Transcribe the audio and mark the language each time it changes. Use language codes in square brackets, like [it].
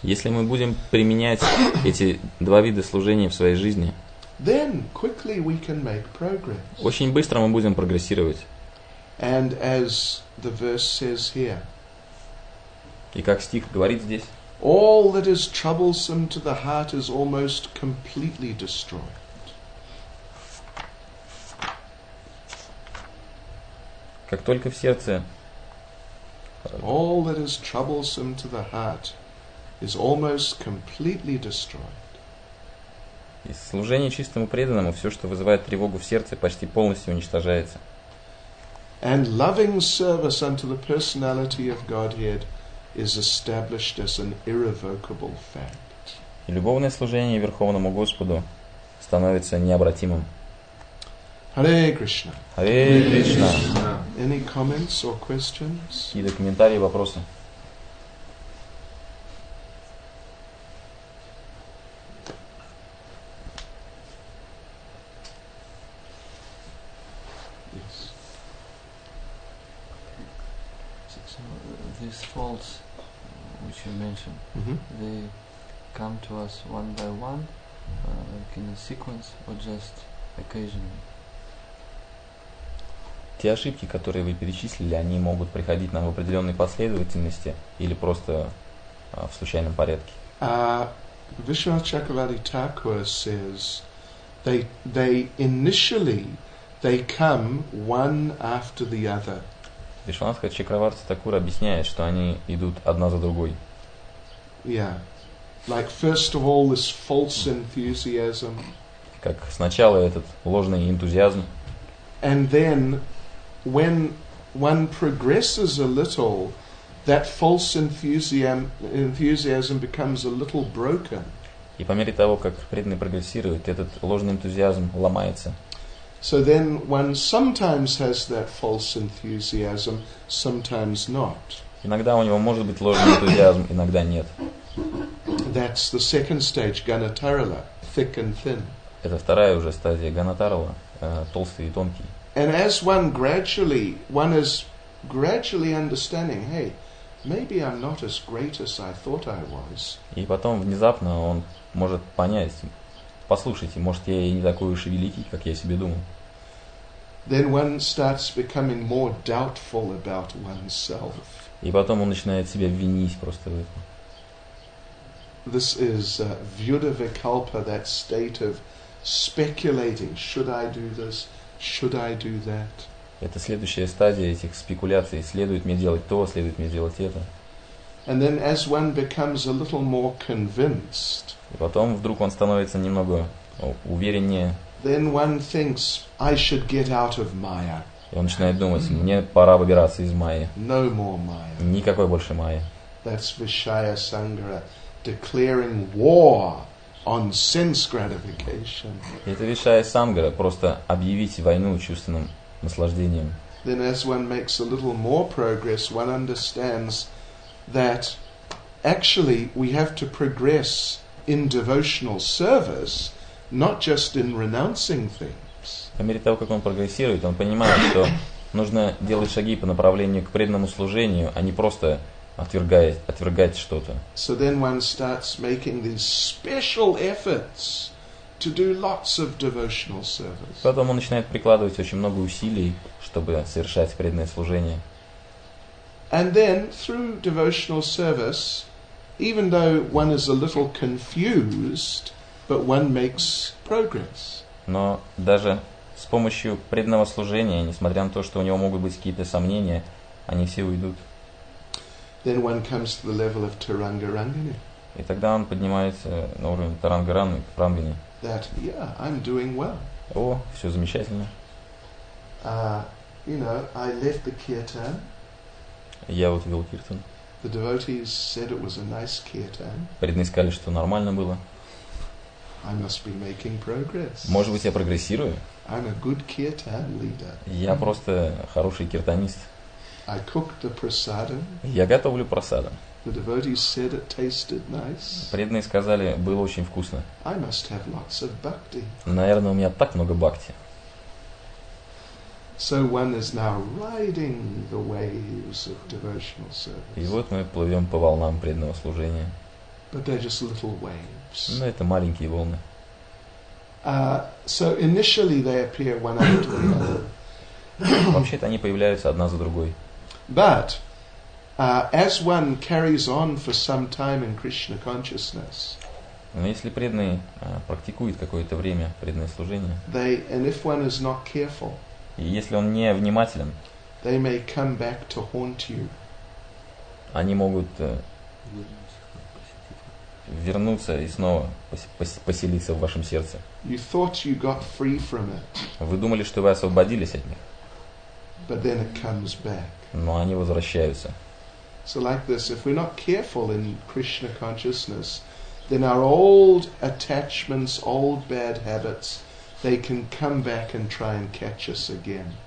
[ru] Если мы будем применять эти два вида служения в своей жизни, [en] then quickly we can make progress. [ru] Очень быстро мы будем прогрессировать. [en] And as the verse says here. [ru] И как стих говорит здесь, [en] all that is troublesome to the heart is almost completely destroyed. [ru] Как только в сердце. [en] All that is troublesome to the heart is almost completely destroyed. [ru] И служение чистому преданному, все, что вызывает тревогу в сердце, почти полностью уничтожается. [en] And loving service unto the personality of Godhead is established as an irrevocable fact. [ru] И любовное служение Верховному Господу становится необратимым. [en] Hare Krishna. Hare Krishna. Any comments or questions? [ru] Какие-то комментарии, вопросы? [en] Yes. So these faults which you mentioned, they come to us one by one, like in a sequence, or just occasionally? [ru] Те ошибки, которые вы перечислили, они могут приходить нам в определенной последовательности или просто в случайном порядке. [en] Вишванатха Чакраварти Тхакура says they initially they come one after the other. [ru] Вишванатха Чакраварти Тхакура объясняет, что они идут одна за другой. [en] Yeah. Like first of all this false enthusiasm. [ru] Как сначала этот ложный энтузиазм. [en] And then when one progresses a little, that false enthusiasm becomes a little broken. [ru] И по мере того, как преданный прогрессирует, этот ложный энтузиазм ломается. [en] So then one sometimes has that false enthusiasm, sometimes not. [ru] Иногда у него может быть ложный энтузиазм, иногда нет. [en] That's the second stage, ganatarala, thick and thin. [ru] Это вторая уже стадия ганатарала, толстый и тонкий. [en] And as one is gradually understanding, hey, maybe I'm not as great as I thought I was. [ru] И потом внезапно он может понять, послушайте, может я и не такой уж и великий, как я себе думал. [en] Then one starts becoming more doubtful about oneself. [ru] И потом он начинает себя винить просто в этом. [en] This is vyudhavikalpa, that state of speculating, should I do this? Should I do that? [ru] Это следующая стадия этих спекуляций. Следует мне делать то, следует мне делать это. [en] And then as one becomes a little more convinced. [ru] И потом вдруг он становится немного увереннее. [en] Then one thinks I should get out of Maya. [ru] И он начинает думать, мне пора выбираться из Майи. [en] No more Maya. [ru] Никакой больше Майи. [en] That's Vishaya Sangraha declaring war. On sense gratification. [ru] Это Вишая Сангха, просто объявить войну чувственным наслаждением. [en] Then as one makes a little more progress, one understands that actually we have to progress in devotional service, not just in renouncing things. [ru] По мере того, как он прогрессирует, он понимает, что нужно делать шаги по направлению к преданному служению, а не просто отвергать что-то. [en] So then one starts making these special efforts to do lots of devotional service. [ru] Потом он начинает прикладывать очень много усилий, чтобы совершать преданное служение. [en] And then through devotional service, even though one is a little confused, but one makes progress. [ru] Но даже с помощью преданного служения, несмотря на то, что у него могут быть какие-то сомнения, они все уйдут. [en] Then one comes to the level of Tarangarangini. [ru] И тогда он поднимается на уровень Тарангарангини. [en] That, yeah, I'm doing well. [ru] О, все замечательно. [en] You know, I left the kirtan. [ru] Я вот вел киртан. [en] The devotees said it was a nice kirtan. [ru] Преданные сказали, что нормально было. [en] I must be making progress. [ru] Может быть, я прогрессирую? [en] I'm a good kirtan leader. [ru] Я просто хороший киртанист. [en] I cooked the prasadam. [ru] Я готовлю прасадам. [en] The devotees said it tasted nice. [ru] Преданные сказали, было очень вкусно. [en] I must have lots of bhakti. [ru] Наверное, у меня так много бхакти. [en] So one is now riding the waves of devotional service. [ru] И вот мы плывем по волнам преданного служения. [en] But they're just little waves. [ru] Но это маленькие волны. [en] So initially they appear one after the other. [ru] Вообще-то они появляются одна за другой. [en] But as one carries on for some time in Krishna consciousness. [ru] Но если преданный практикует какое-то время преданное служение. [en] They and if one is not careful. [ru] И если он не внимателен, [en] they may come back to haunt you. [ru] Они могут вернуться и снова поселиться в вашем сердце. [en] You thought you got free from it. [ru] Вы думали, что вы освободились от них. [en] But then it comes back. [ru] Но они возвращаются. [en] So like this, if we're not careful in Krishna consciousness, then our old attachments, old bad habits, they can come back and try and catch us again.